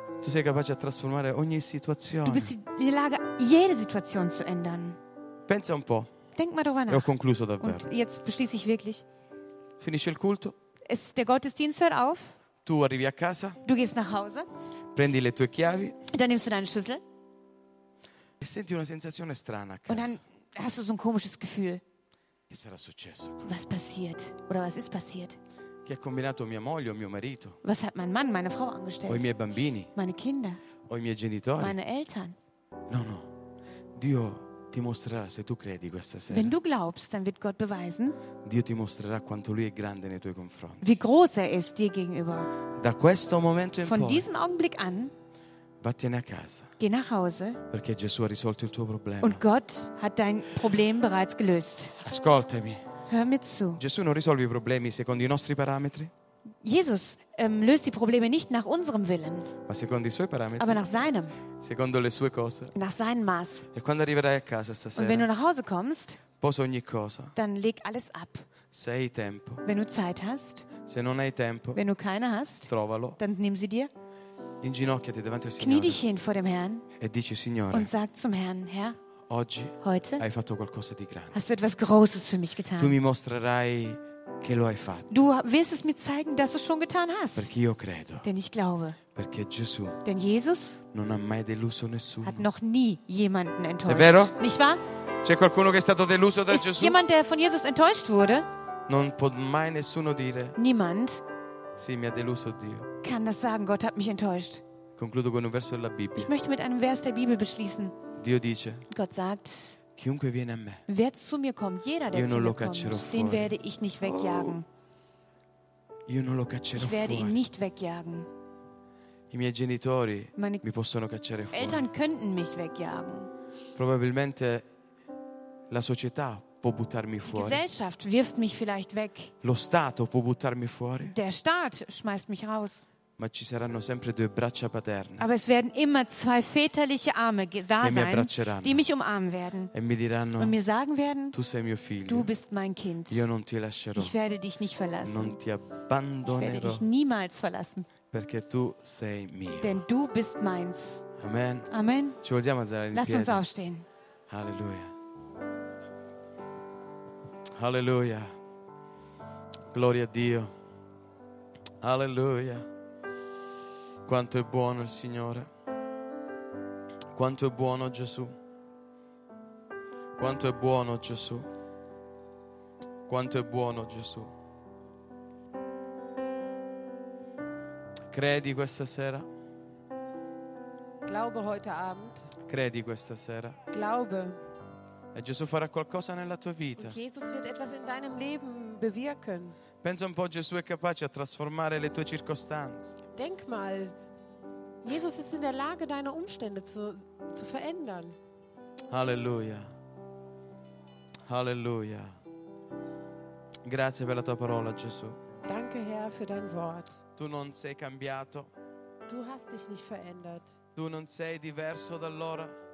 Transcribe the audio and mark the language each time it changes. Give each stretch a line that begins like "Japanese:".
Italian: Tu sei capace a trasformare ogni situazione.
German: Du bist in der Lage, jede Situation zu ändern.
Italian: Pensa un po'.
German: Denk mal darüber nach.
Italian: E ho concluso davvero.
German: Und jetzt beschließe ich wirklich.
Italian: Finisce il culto.
German: Der Gottesdienst hört auf.
Italian: Tu arrivi a casa.
German: Du gehst nach Hause.
Italian: Prendi le tue chiavi.
German: Dann nimmst du deinen Schlüssel.
Italian: E senti una sensazione strana a casa.
German: Und dann hast du so ein komisches Gefühl.
Italian: Che sarà successo?
German: Was passiert? Oder was ist passiert?
Italian: Che ha combinato mia moglie o mio marito?
German: Was hat mein Mann, meine Frau angestellt?
Italian: O i miei bambini?
German: Meine Kinder?
Italian: O i miei genitori?
German: Meine Eltern?
Italian: No, no. Dio ti mostrerà se tu credi questa sera.
German: Wenn du glaubst, dann wird Gott beweisen.
Italian: Dio ti mostrerà quanto lui è grande nei tuoi confronti.
German: Wie groß er ist dir gegenüber.
Italian: Da questo momento in poi.
German: Von diesem Augenblick an.
Italian: Vattene a casa.
German: Geh nach Hause.
Italian: Perché Gesù ha risolto il tuo problema.
German: Und Gott hat dein Problem bereits gelöst.
Italian: Ascoltami.
German: Hör mir zu.
Italian: Gesù non risolve i problemi secondo i nostri parametri.
German: Jesus löst die Probleme nicht nach unserem Willen.
Italian: Ma secondo i suoi parametri.
German: Aber nach seinem.
Italian: Secondo le sue cose.
German: Nach seinem Maß.
Italian: E quando arriverai a casa stasera.
German: Und wenn du nach Hause kommst.
Italian: Posa ogni cosa.
German: Dann leg alles ab.
Italian: Se hai tempo.
German: Wenn du Zeit hast.
Italian: Se non hai tempo.
German: Wenn du keine hast.
Italian: Trovalo.
German: Dann nimm sie dir.
Italian: Inginocchiati davanti al Signore.
German: Knie dich hin vor dem Herrn.
Italian: E dici, Signore.
German: Und sag zum Herrn, Herr.
Italian: Oggi.
German: Heute.
Italian: Hai fatto qualcosa di grande.
German: Hast du etwas Großes für mich getan.
Italian: Tu mi mostrerai che lo hai fatto.
German: Du wirst es mir zeigen, dass du es schon getan hast.
Italian: Perché io credo.
German: Denn ich glaube.
Italian: Perché Gesù.
German: Denn Jesus.
Italian: Non ha mai deluso nessuno.
German: Hat noch nie jemanden enttäuscht.
Italian: È vero?
German: Nicht wahr?
Italian: C'è qualcuno che è stato deluso da Gesù?
German: Ist jemand, der von Jesus enttäuscht wurde?
Italian: Non può mai nessuno dire.
German: Niemand.
Italian: Sì, mi ha deluso Dio.
German: Kann das sagen, Gott hat mich enttäuscht.
Italian: Concludo con un verso della Bibbia.
German: Ich möchte mit einem Vers der Bibel beschließen.
Italian: Dio dice,
German: Gott sagt,
Italian: chiunque viene a me,
German: wer zu mir kommt, jeder, der
Italian: io non
German: zu mir
Italian: lo
German: kommt,
Italian: caccerò
German: den
Italian: fuori.
German: Werde ich nicht wegjagen.
Italian: Oh, io non lo caccerò
German: ich werde
Italian: fuori.
German: Ihn nicht wegjagen.
Italian: I miei genitori
German: Meine
Italian: mi possono cacciare fuori.
German: Eltern könnten mich wegjagen.
Italian: Probabilmente la società può buttarmi fuori.
German: Die Gesellschaft wirft mich vielleicht weg.
Italian: Lo Stato può buttarmi fuori.
German: Der Staat schmeißt mich raus.
Italian: Ma ci saranno sempre due braccia paterne.
German: Aber es werden immer zwei väterliche Arme da sein,
Italian: mi abbracceranno,
German: die mich umarmen werden.
Italian: E mi diranno,
German: und mir sagen werden,
Italian: tu sei mio figlio.
German: Du bist mein Kind.
Italian: Io non ti lascerò.
German: Ich werde dich nicht verlassen.
Italian: Non ti abbandonerò.
German: Ich werde dich niemals verlassen.
Italian: Perché tu sei mio.
German: Denn du bist meins.
Italian: Amen.
German: Amen.
Italian: Ci vogliamo alzare in piedi.
German: Lasst uns aufstehen. Halleluja.
Italian: Alleluia. Gloria a Dio. Alleluia. Quanto è buono il Signore. Quanto è buono Gesù. Quanto è buono Gesù. Quanto è buono Gesù. Credi questa sera?
German: Glaube heute Abend.
Italian: Credi questa sera.
German: Glaube.
Italian: E Gesù farà qualcosa nella tua vita.
German: Und Jesus wird etwas in deinem Leben bewirken.
Italian: Pensa un po', Gesù è capace a trasformare le tue circostanze.
German: Denk mal, Jesus ist in der Lage, deine Umstände zu verändern. Halleluja. Halleluja.
Italian: Grazie per la tua parola, Gesù.
German: Danke, Herr, für dein Wort.
Italian: Tu non sei cambiato.
German: Du hast dich nicht verändert.
Italian: Tu non sei diverso da allora.